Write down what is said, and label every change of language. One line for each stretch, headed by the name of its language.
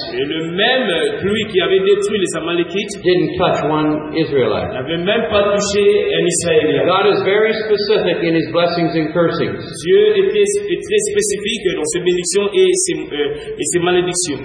French: et le même pluie qui avait détruit les Amalekites,
English: didn't touch one Israelite.
French: N'avait même pas touché un Israélien.
English: God is very specific in his blessings and cursings.
French: Dieu est très spécifique dans ses bénédictions et ses malédictions.